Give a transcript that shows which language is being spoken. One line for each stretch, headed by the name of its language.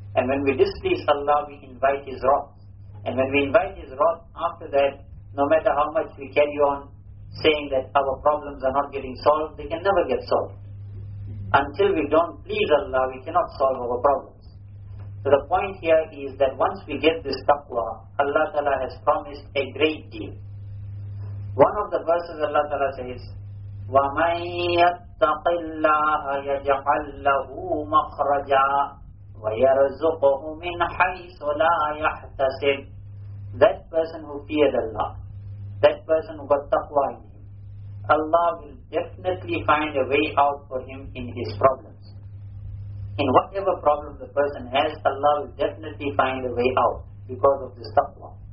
English: And when we displease Allah, we invite His wrath. And when we invite His wrath, after that, no matter how much we carry on saying that our problems are not getting solved, they can never get solved. Until we don't please Allah, we cannot solve our problems. So the point here is that once we get this taqwa, Allah Ta'ala has promised a great deal. One of the verses Allah Ta'ala says,
Arabic: وَمَنْ يَتَّقِ اللَّهَ يَجْعَلْ لَهُ مَخْرَجًا وَيَرْزُقُهُ مِنْ حَيْثُ لَا يَحْتَسِبُ.
English: That person who feared Allah, that person who got taqwa in him, Allah will definitely find a way out for him in his problems. In whatever problem the person has, Allah will definitely find a way out because of this taqwa.